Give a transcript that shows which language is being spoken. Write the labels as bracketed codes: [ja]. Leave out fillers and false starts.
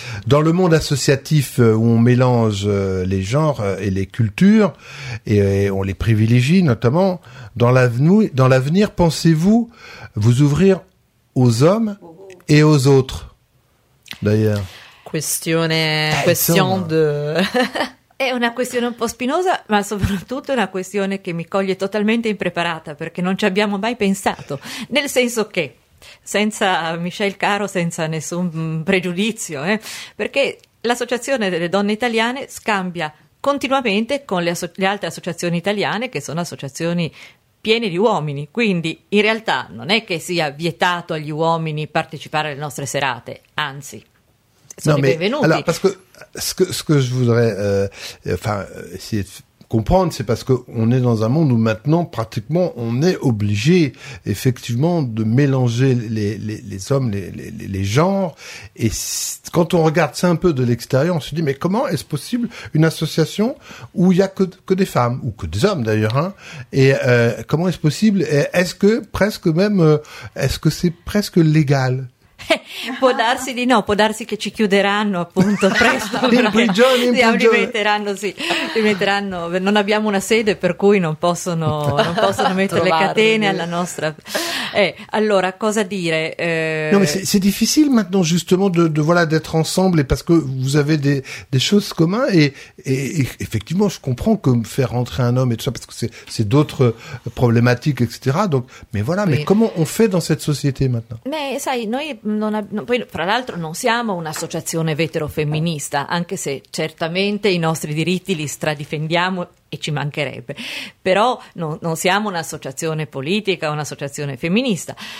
[fr] Dans le monde associatif où on mélange les genres et les cultures, et on les privilégie notamment, dans l'avenir, pensez-vous vous ouvrir aux hommes et aux autres, d'ailleurs? [it] È una questione un po' spinosa, ma soprattutto una questione che mi coglie totalmente impreparata, perché non ci abbiamo mai pensato. Nel senso che, senza Michelle Caro, senza nessun pregiudizio, perché l'Associazione delle Donne Italiane scambia continuamente con le altre associazioni italiane, che sono associazioni piene di uomini. Quindi in realtà non è che sia vietato agli uomini partecipare alle nostre serate, anzi, sono i benvenuti. Allora, perché... [fr] Ce que je voudrais essayer de comprendre, c'est parce qu'on est dans un monde où maintenant, pratiquement, on est obligé, effectivement, de mélanger les hommes, les genres. Et quand on regarde ça un peu de l'extérieur, on se dit, mais comment est-ce possible une association où il n'y a que des femmes, ou que des hommes d'ailleurs, hein? Et comment est-ce possible? Et est-ce que c'est presque légal? [it] Può darsi di no, può darsi che ci chiuderanno appunto presto, li metteranno, non abbiamo una sede per cui non possono mettere le catene alla nostra. Allora cosa dire? [fr] No, mais c'est difficile maintenant justement de d'être ensemble, et parce que vous avez des choses communes, et effectivement je comprends que faire rentrer un homme et tout ça, parce que c'est d'autres problématiques, etc. Donc, mais voilà, mais comment on fait dans cette société maintenant? Mais [it] sai, noi poi fra l'altro non siamo un'associazione veterofemminista, anche se certamente i nostri diritti li stradifendiamo e ci mancherebbe, però non siamo un'associazione politica, un'associazione femminista.